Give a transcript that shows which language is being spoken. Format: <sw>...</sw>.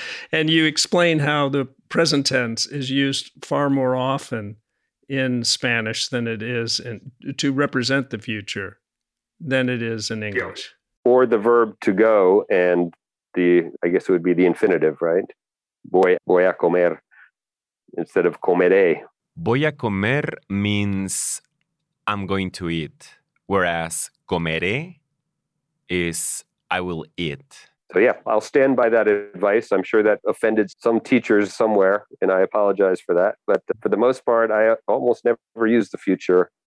<en>And you explain how the present tense is used far more often in Spanish than it is in, to represent the future than it is in English. Yeah. Or the verb to go, and the, I guess it would be the infinitive, right?</en> <es>Voy a comer</es> <en>instead of</en> <es>comeré. Voy a comer</es> <en>means I'm going to eat, whereas comeré is I will eat. So yeah, I'll stand by that advice. I'm sure that offended some teachers somewhere, and I apologize for that. But for the most part, I almost never use the future.</en>